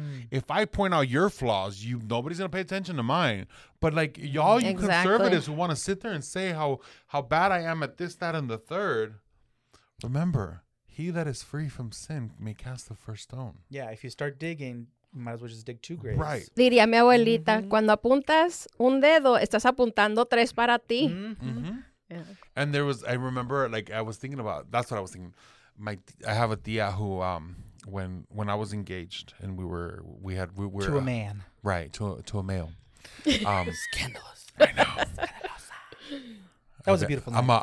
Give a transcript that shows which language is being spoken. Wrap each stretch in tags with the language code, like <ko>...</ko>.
<en>If I point out your flaws, nobody's gonna pay attention to mine. But like y'all, you exactly. conservatives who want to sit there and say how bad I am at this, that, and the third. Remember, he that is free from sin may cast the first stone. Yeah, if you start digging, you might as well just dig two graves. Right.</en> <es>Diría mi abuelita, cuando apuntas un dedo, estás apuntando tres para ti.</es> <en>And there was, I remember, like I was thinking about. That's what I was thinking. I have a tía who When I was engaged and we were to a man, right, to a male, scandalous. I know. That was a beautiful night.</en>